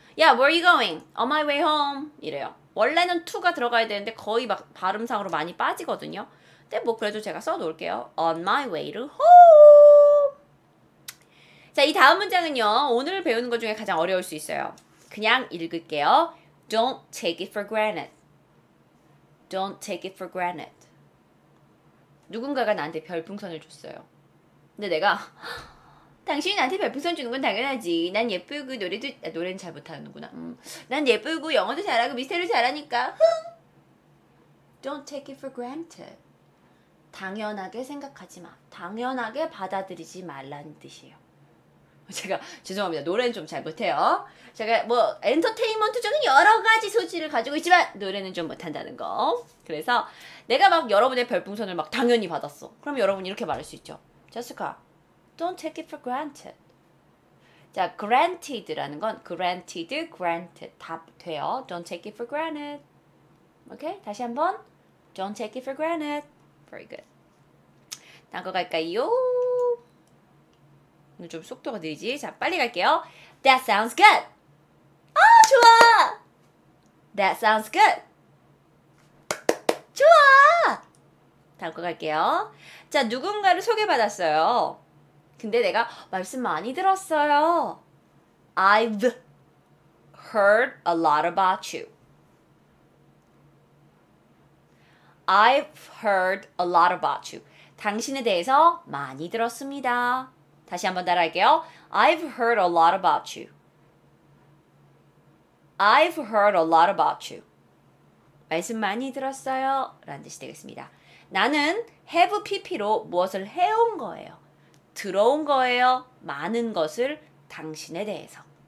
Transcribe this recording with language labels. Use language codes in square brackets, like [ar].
[en] 야, where are you going? On my way home. [ko] 이래요. 원래는 to가 들어가야 되는데 거의 막 발음상으로 많이 빠지거든요. 근데 뭐 그래도 제가 써놓을게요. [en] On my way to home. [ko] 자, 이 다음 문장은요. 오늘 배우는 것 중에 가장 어려울 수 있어요. 그냥 읽을게요. [en] Don't take it for granted. Don't take it for granted. [ko] 누군가가 나한테 별풍선을 줬어요. 근데 내가 당신이 나한테 별풍선 주는 건 당연하지. 난 예쁘고 노래도 아, 노래는 잘 못하는구나. 난 예쁘고 영어도 잘하고 미스테리 잘하니까. [en] 흥! Don't take it for granted. [ko] 당연하게 생각하지 마. 당연하게 받아들이지 말라는 뜻이에요. 제가 죄송합니다. 노래는 좀 잘 못해요. 제가 뭐 엔터테인먼트적인 여러 가지 소질을 가지고 있지만 노래는 좀 못한다는 거. 그래서 내가 막 여러분의 별풍선을 막 당연히 받았어. 그럼 여러분 이렇게 말할 수 있죠. [en] 제스카, don't take it for granted. [ko] 자, granted라는 건 granted, granted 다 돼요. [en] Don't take it for granted. [ko] 오케이? 다시 한번. [en] Don't take it for granted. Very good. [ko] 나고 갈까요? 오늘 좀 속도가 느리지? 자, 빨리 갈게요. [en] That sounds good. [ko] 아, 좋아! [en] That sounds good. [ko] 좋아! 다음 거 갈게요. 자, 누군가를 소개받았어요. 근데 내가 말씀 많이 들었어요. [en] I've heard a lot about you. I've heard a lot about you. [ko] 당신에 대해서 많이 들었습니다. 다시 한번 따라 할게요. [en] I've heard a lot about you. I've heard a lot about you. [ko] 말씀 많이 들었어요. 라는 뜻이 되겠습니다. 나는 have PP로 무엇을 해온 거예요. 들어온 거예요. 많은 것을 당신에 대해서.